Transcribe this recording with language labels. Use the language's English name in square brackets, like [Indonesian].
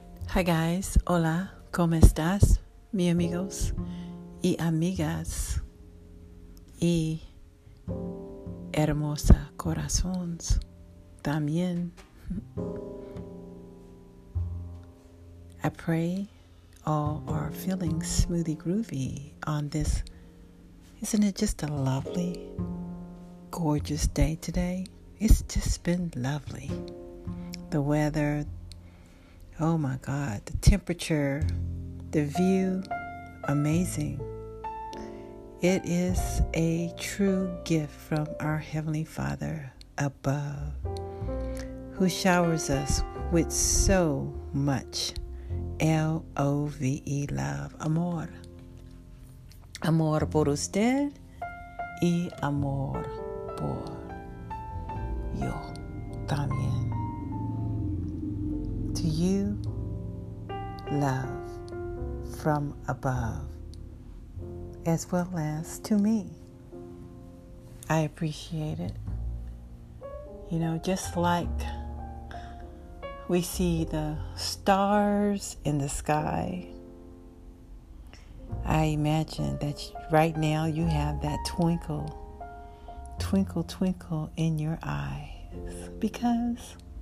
[English] Hi guys, [Spanish] hola, ¿cómo estás, mi amigos y amigas y hermosa corazones también? [English] I pray all are feeling smoothie groovy on this. Isn't it just a lovely, gorgeous day today? It's just been lovely. The weather, oh my God, the temperature, the view, amazing. It is a true gift from our Heavenly Father above, who showers us with so much L-O-V-E love, amor. [Spanish] Amor por usted y amor por yo también. [English] To you, love from above, as well as to me. I appreciate it. You know, just like we see the stars in the sky, I imagine that right now you have that twinkle, twinkle, twinkle in your eyes because